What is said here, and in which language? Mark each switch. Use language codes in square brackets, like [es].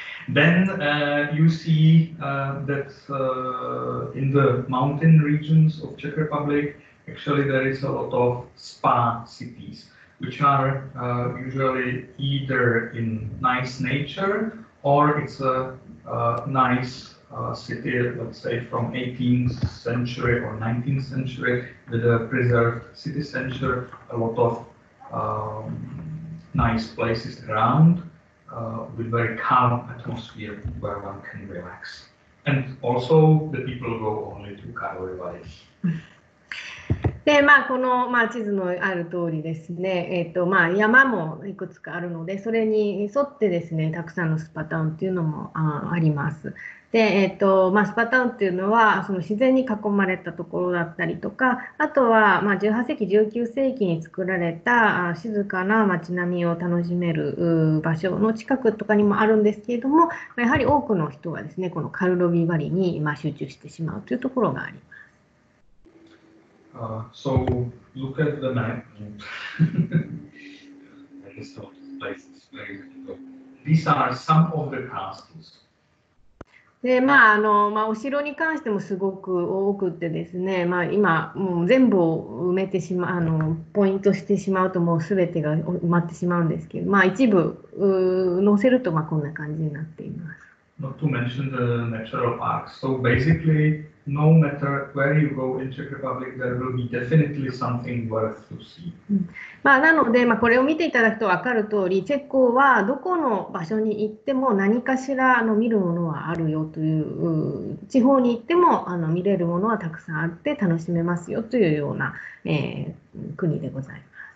[en] Then you see that in the mountain regions of Czech Republic, actually there is a lot of spa cities, which are usually either in nice nature or it's a nice city, let's say from 18th century or 19th century, with a preserved city center, a lot of nice places around. With very calm atmosphere where one can relax. And also the people go only to Karlovy Vary. [ja] で、まあ、この、まあ、地図のある通りですね、まあ、山もいくつかあるので、それに沿ってですね、たくさんのスパタウンっていうのも、あります。で、まあ、スパタウンっていうのは、その自然に囲まれたところだったりとか、あとは、まあ、18世紀、19世紀に作られた、静かな街並みを楽しめる場所の近くとかにもあるんですけれども、やはり多くの人がですね、このカルロヴィ・ヴァリに、まあ、集中してしまうというところがあります。 [en] So look at the map. I just thought this place is very good. These are some of the castles. [ja] で、まあ、まあ、お城に関してもすごく多くってですね、まあ、今もう全部を埋めてしまう、ポイントしてしまうともう全てが埋まってしまうんですけど、まあ、一部載せるとまあこんな感じになっています。 [en] Not to mention the natural parks. So basically, no matter where you go in Czech Republic, there will be definitely something worth to see. [ja] まあ、なので、まあ、これを見ていただくと分かる通り、チェコはどこの場所に行っても何かしら見るものはあるよという、地方に行っても見れるものはたくさんあって楽しめますよというような、国でございます。